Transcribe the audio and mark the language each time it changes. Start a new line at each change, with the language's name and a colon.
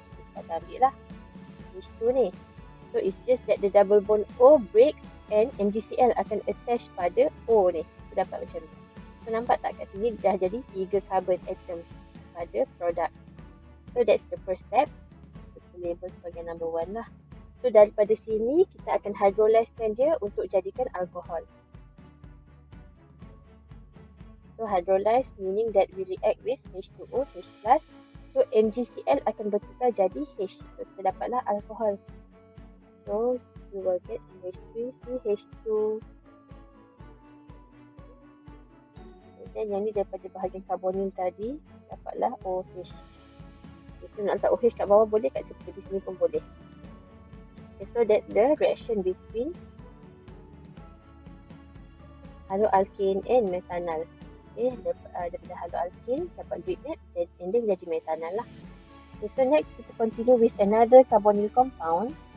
Malay: Kita akan ambil lah H2 ni.
English: So, it's just that the double bond O breaks
Malay: and MgCl akan attach pada O ni. So, dapat macam ni. So, nampak tak kat sini dah jadi 3 carbon atom pada produk.
English: So, that's the first step.
Malay: Kita label sebagai number 1 lah. So, daripada sini kita akan hydrolyzekan dia untuk jadikan alkohol.
English: So, hydrolyze meaning that we react with H2O, H+.
Malay: So, MgCl akan bertukar jadi H. So, kita dapatlah alkohol.
English: So, you will get CH3CH2.
Malay: Dan yang ni daripada bahagian karbonil tadi, dapatlah OH. Kita nak letak OH kat bawah boleh, kat sebelah sini pun boleh.
English: Okay, so, that's the reaction between haloalkane and methanol.
Malay: Okay, daripada haloalkane dapat Grignard and then jadi methanol lah.
English: Okay, so, next kita continue with another carbonyl compound.